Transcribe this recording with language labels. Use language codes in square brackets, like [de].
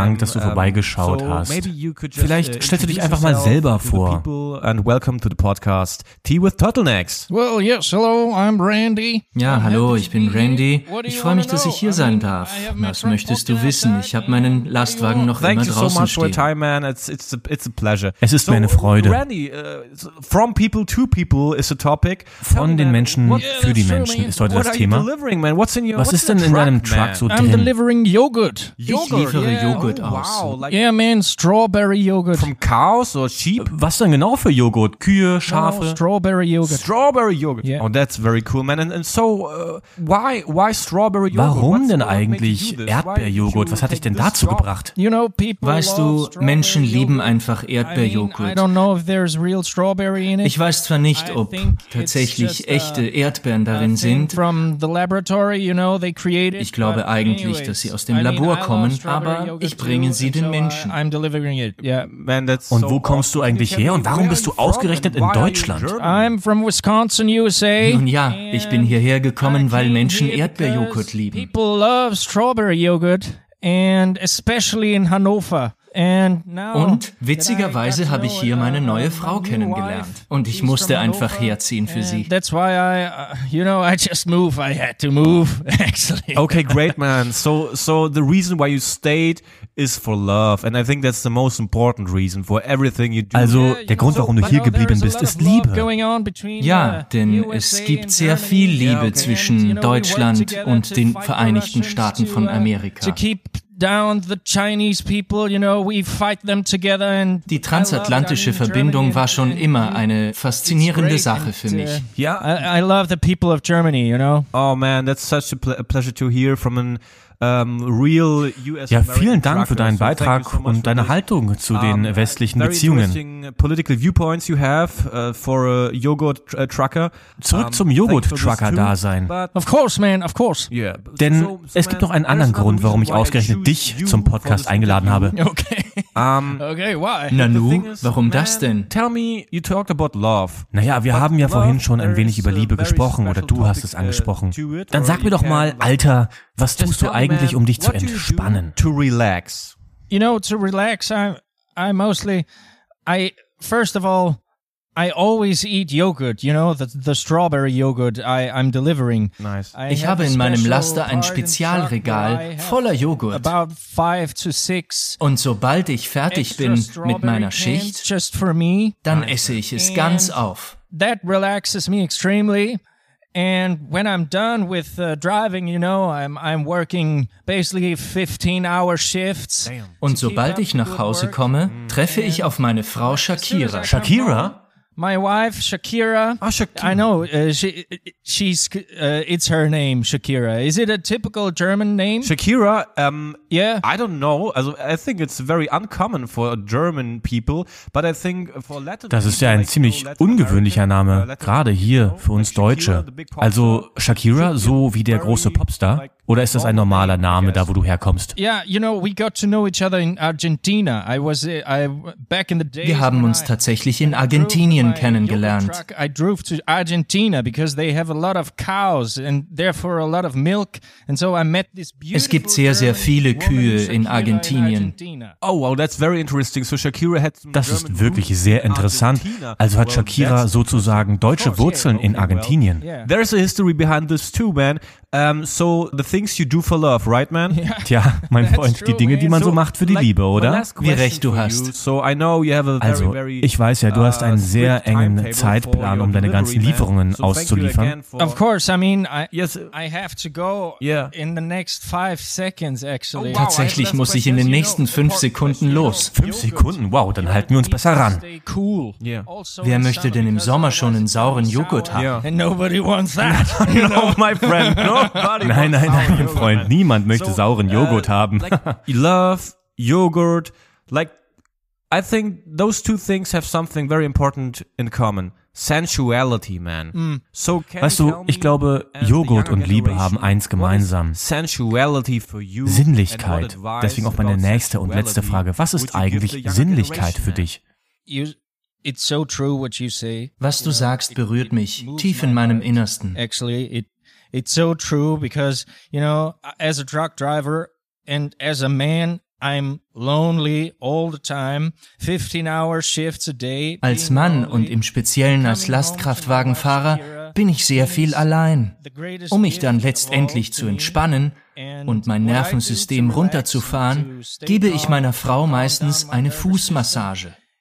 [de] Dank, dass du vorbeigeschaut hast. Vielleicht stellst du dich einfach mal selber vor. [en] And welcome to the podcast Tea with Turtlenecks. Well, yes, hello, I'm Randy. [de] Ja, hallo, ich bin Randy. Ich freue mich, dass ich hier sein darf. Was möchtest du wissen? Ich habe meinen Lastwagen noch immer draußen stehen. [en] Thank you so much for your time, man. It's a pleasure. [de] Es ist mir eine Freude. [en] Randy, from people to people is a topic. [de] Von den Menschen für die Menschen ist heute das Thema. Was ist denn in deinem Truck so drin? [en] I'm delivering yogurt. [de] Ich liefere Joghurt aus. [en] Yeah, man, strawberry yogurt. From cows or sheep? [de] Was denn genau für Joghurt? Kühe, Schafe? [en] Strawberry yogurt. Strawberry yogurt. Oh, that's very cool, man. And so, why strawberry yogurt? [de] Warum denn eigentlich Erdbeerjoghurt? Was hat dich denn dazu gebracht? [en] You know, people. [de] Weißt du, Menschen lieben einfach Erdbeerjoghurt. [en] I don't know if there's real strawberry. [de] Ich weiß zwar nicht, ob tatsächlich echte Erdbeeren darin sind. Ich glaube eigentlich, dass sie aus dem Labor kommen, aber ich bringe sie den Menschen. Und wo kommst du eigentlich her und warum bist du ausgerechnet in Deutschland? Nun ja, ich bin hierher gekommen, weil Menschen Erdbeerjoghurt lieben. [en] People love strawberry yogurt and especially in Hannover. [de] Und witzigerweise habe ich hier meine neue Frau kennengelernt. Und ich musste einfach herziehen für sie. [en] That's why I, you know, I just move. I had to move, actually. Okay, great, man. So the reason why you stayed is for love. And I think that's the most important reason for everything you do. [de] Also, der Grund, warum du hier geblieben bist, ist Liebe. Ja, denn es gibt sehr viel Liebe zwischen Deutschland und den Vereinigten Staaten von Amerika. [en] Down the Chinese people, you know, we fight them together. And [de] die transatlantische Verbindung war schon immer eine faszinierende Sache für mich. [en] Yeah, I love the people of Germany, you know. Oh man, that's such a pleasure to hear from an real US. [de] Ja, vielen Dank für deinen Beitrag und deine Haltung zu den westlichen Beziehungen. [en] Political viewpoints you have for a yogurt trucker. [de] Zurück zum Yogurt Trucker Dasein. [en] Of course, man, of course. Yeah. [de] Denn es gibt noch einen anderen Grund, warum ich ausgerechnet dich zum Podcast eingeladen habe. [en] Okay, why? [de] Nanu, warum das denn? [en] Tell me, you talked about love. [de] Naja, wir haben ja vorhin schon ein wenig über Liebe gesprochen oder du hast es angesprochen. Dann sag mir doch mal, Alter, was tust du eigentlich, um dich zu entspannen? [en] To relax. You know, to relax, I mostly. I, first of all, I always eat yogurt, you know, the strawberry yogurt I'm delivering. Nice. [de] Ich habe in meinem Laster ein Spezialregal voller Joghurt. [en] About 5 to 6. [de] Und sobald ich fertig bin mit meiner Schicht, [en] just for me, [de] dann esse ich es ganz auf. [en] That relaxes me extremely. And when I'm done with driving, you know, I'm working basically 15-hour shifts. [de] Und sobald ich nach Hause komme, treffe ich auf meine Frau Shakira. [en] Shakira? My wife Shakira. Ah, Shakira. I know, she's it's her name, Shakira. Is it a typical German name? Shakira, I don't know. Also, I think it's very uncommon for German people, but I think for Latin. [de] Das ist ja ein ziemlich ungewöhnlicher Name, gerade hier für uns Deutsche. Also, Shakira, so wie der große Popstar? Oder ist das ein normaler Name, da wo du herkommst? [en] Yeah, you know, we got to know each other in Argentina. I was back in the days. [de] Wir haben uns tatsächlich in Argentinien kennengelernt. [en] I drove to Argentina because they have a lot of cows and therefore a lot of milk. And so I met this beautiful. [de] Es gibt sehr, sehr viele Kühe in Argentinien. [en] Oh, wow, that's very interesting. So Shakira had some. [de] Das ist wirklich sehr interessant. Also hat Shakira sozusagen deutsche Wurzeln in Argentinien. [en] There's a history behind this too, man. So the things you do for love, right, man? Yeah. [de] Tja, mein Freund, true, die Dinge, die man so macht für die like, Liebe, oder? Wie recht du hast. [en] So I know you have a very, [de] also, ich weiß ja, du hast einen sehr engen Zeitplan, um deine ganzen Lieferungen so auszuliefern. [en] Of course, I mean, I have to go in the next 5 seconds, actually. Oh, [de] wow, tatsächlich muss ich in den nächsten 5 Sekunden los. 5 Sekunden? Wow, dann halten wir uns besser ran. [en] Cool. Yeah. [de] Wer möchte denn im Sommer schon einen sauren Joghurt haben? [en] Yeah. And nobody wants that. No, my friend. Nobody [de] nein, mein Freund, niemand möchte sauren Joghurt haben. [en] Like, love, Joghurt, like, I think those two things have something very important in common. Sensuality, man. Mm. [de] So can weißt du, ich glaube, Joghurt und Liebe haben eins gemeinsam. [en] Sensuality for you. [de] Sinnlichkeit. Deswegen auch meine nächste und letzte Frage. Was ist eigentlich Sinnlichkeit für dich? [en] It's so true what you say. [de] Was du sagst, berührt mich tief in meinem Innersten. [en] Actually, it's so true because, you know, as a truck driver and as a man, I'm lonely all the time, 15-hour shifts a day. [de] Als Mann und im Speziellen als Lastkraftwagenfahrer bin ich sehr viel allein. Um mich dann letztendlich zu entspannen und mein Nervensystem runterzufahren, gebe ich meiner Frau meistens eine Fußmassage.